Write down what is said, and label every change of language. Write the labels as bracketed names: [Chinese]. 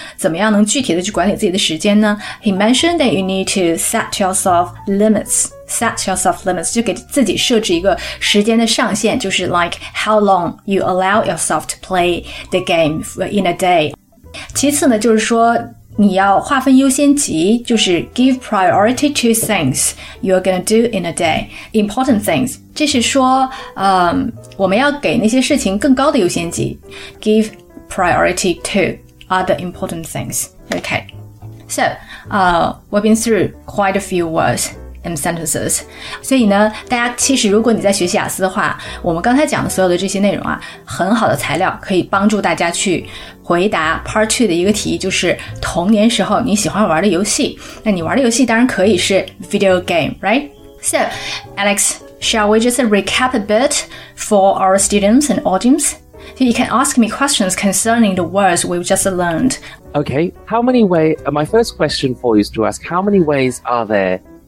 [Chinese] 怎么样能具体的去管理自己的时间呢？ [English] He mentioned that you need to set yourself limits. Set yourself limits, [Chinese] 就给自己设置一个时间的上限，就是 [English] like how long you allow yourself to play the game in a day. [Chinese] 其次呢，就是说你要划分优先级，就是 [English] give priority to things you're going to do in a day. Important things, [Chinese] 这是说我们要给那些事情更高的优先级。 [English] Give priority to other important things. Okay, so we've been through quite a few words. And sentences. [Chinese] 所以呢，大家其实如果你在学习雅思的话，我们刚才讲的所有的这些内容啊，很好的材料可以帮助大家去回答 part two 的一个题，就是童年时候你喜欢玩的游戏。那你玩的游戏当然可以是 video game, right? [English] So, Alex, shall we just recap a bit for our students and audience? So you can ask me questions concerning the words we've just learned. Okay. How many ways? My first question for you is to ask how many ways are there.